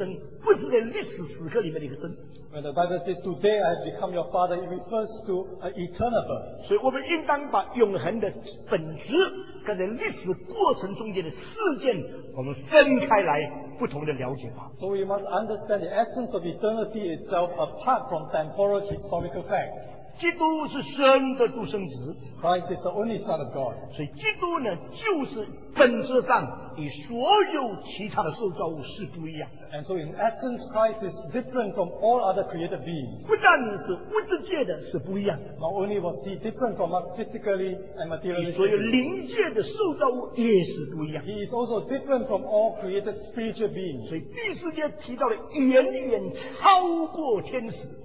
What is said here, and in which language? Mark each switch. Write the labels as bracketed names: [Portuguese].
[Chinese] 这个今日生你是永恒的一个生，不是在历史时刻里面的一个生。 [English] When the Bible says today I have become your father, it refers to an eternal birth. [Chinese] 所以我们应当把永恒的本质跟在历史过程中间的事件，我们分开来不同的了解吧。 [English] So we must understand the essence of eternity itself apart from temporal historical facts. [Chinese] 基督是神的独生子, [English] Christ is the only Son of God. [Chinese] 所以基督呢, 就是本质上与所有其他的受造物是不一样。 [English] And so in essence, Christ is different from all other created beings. [Chinese] 不但是物质界的是不一样, [English] not only was he different from us physically and materially, [Chinese] 与所有灵界的受造物也是不一样。 [English] He is also different from all created spiritual beings. [Chinese] 所以第四节提到的远远超过天使。